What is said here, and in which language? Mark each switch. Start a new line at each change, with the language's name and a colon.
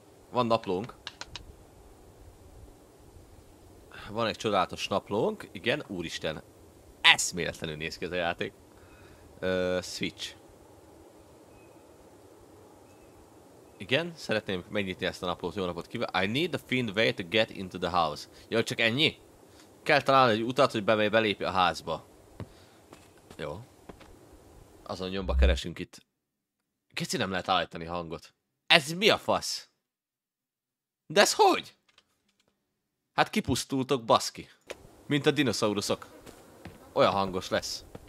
Hungarian: Van naplónk. Van egy csodálatos naplónk, igen, úristen, eszméletlenül néz ki ez a játék. Switch. Igen, szeretném megnyitni ezt a naplót, jó napot kívül.
English: I need to find a way to get into the house.
Hungarian: Jó, csak ennyi? Kell találni egy utat, hogy belépj a házba. Jó. Azon nyomba keresünk itt. Kicsi, nem lehet állítani hangot. Ez mi a fasz? De ez hogy? Hát kipusztultok, baszki. Mint a dinoszauruszok. Olyan hangos lesz.